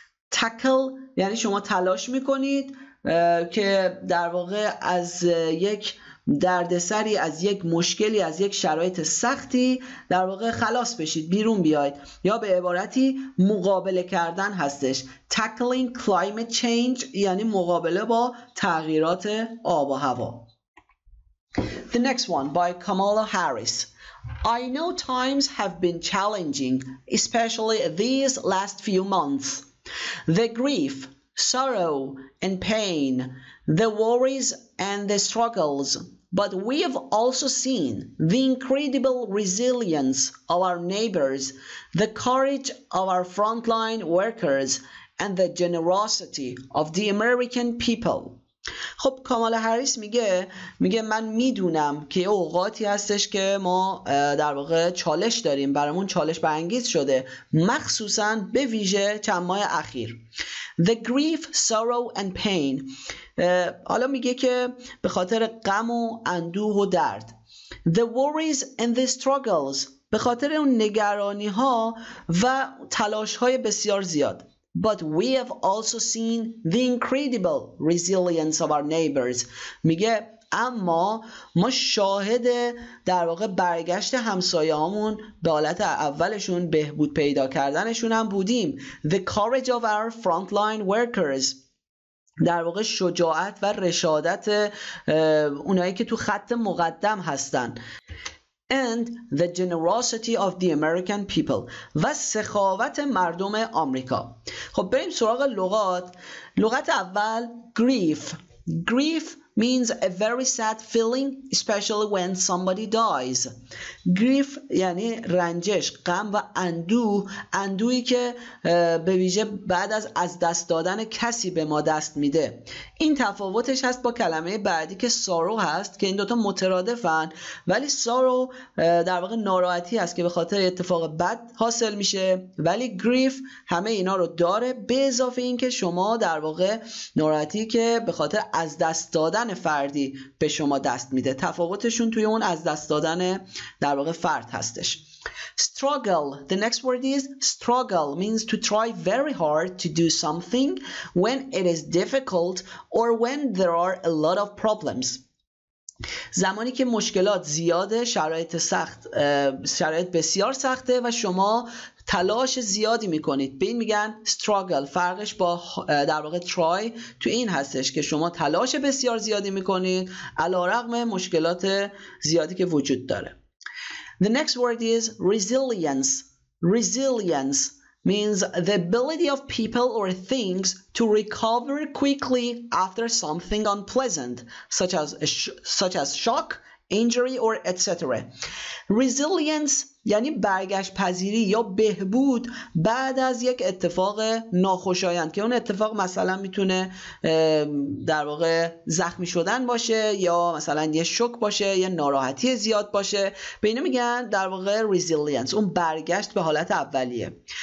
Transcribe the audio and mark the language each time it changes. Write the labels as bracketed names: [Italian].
[Persian] Tackle یعنی شما تلاش میکنید که در واقع از یک دردسری، از یک مشکلی، از یک شرایط سختی در واقع خلاص بشید، بیرون بیاید، یا به عبارتی مقابله کردن هستش. Tackling climate change یعنی مقابله با تغییرات آب و هوا. [English] The next one by Kamala Harris. I know times have been challenging, especially these last few months. The grief, sorrow and pain, the worries and the struggles. But we have also seen the incredible resilience of our neighbors, the courage of our frontline workers, and the generosity of the American people. [Persian] خب کامالا هاریس میگه من میدونم که اوقاتی هستش که ما در واقع چالش داریم، برامون چالش برانگیز شده، مخصوصا به ویژه چند ماه اخیر. [English] The grief, sorrow and pain. [Persian] حالا میگه که به خاطر غم و اندوه و درد. [English] The worries and the struggles. [Persian] به خاطر اون نگرانی ها و تلاش های بسیار زیاد. [English] But we have also seen the incredible resilience of our neighbors. [Persian] میگه اما ما شاهد در واقع برگشت همسایه‌هامون به حالت اولشون، بهبود پیدا کردنشون هم بودیم. [English] The courage of our frontline workers. [Persian] در واقع شجاعت و رشادت اونایی که تو خط مقدم هستن. [English] And the generosity of the American people. [Persian] و سخاوت مردم آمریکا. خب بریم سراغ لغات. لغت اول grief. [English] Grief means a very sad feeling, especially when somebody dies. [Persian] Grief یعنی رنجش، غم و اندوه، اندویی که به ویژه بعد از دست دادن کسی به ما دست میده. این تفاوتش هست با کلمه بعدی که sorrow هست، که این دوتا مترادفن، ولی sorrow در واقع ناراحتی هست که به خاطر اتفاق بد حاصل میشه، ولی grief همه اینا رو داره، به اضافه این که شما در واقع ناراحتی که به خاطر از دست دادن فردی به شما دست میده، تفاوتشون توی اون از دست دادن در واقع فرد هستش. [English] Struggle. The next word is struggle, means to try very hard to do something when it is difficult or when there are a lot of problems. [Persian] زمانی که مشکلات زیاده، شرایط بسیار سخته و شما تلاش زیادی میکنید، به این میگن struggle. فرقش با در واقع try تو این هستش که شما تلاش بسیار زیادی میکنید علارغم مشکلات زیادی که وجود داره. [English] The next word is resilience. Resilience means the ability of people or things to recover quickly after something unpleasant, such as shock, injury, or etc. [Persian] Resilience یعنی برگشت پذیری یا بهبود بعد از یک اتفاق ناخوشایند، که اون اتفاق مثلا میتونه در واقع زخمی شدن باشه یا مثلا یه شوک باشه یا ناراحتی زیاد باشه، به اینو میگن در واقع ریزیلینس، اون برگشت به حالت اولیه.